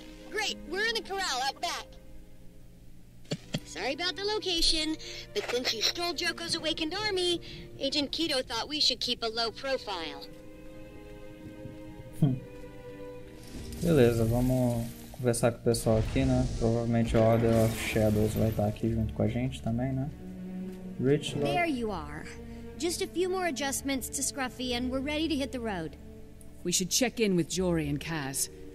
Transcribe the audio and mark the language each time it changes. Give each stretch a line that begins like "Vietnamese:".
English: Great, we're in the corral out back. Sorry Sorry about the location, but since you stole Joko's awakened army, Agent Kido thought we should keep a low profile.
Portuguese: Beleza, vamos conversar com o pessoal aqui, né? Provavelmente a Order of Shadows vai estar aqui junto com a gente também, né?
English: Rich, there you are. Just a few more adjustments to Scruffy and we're ready to hit the road. We should check in with Jory and Kaz.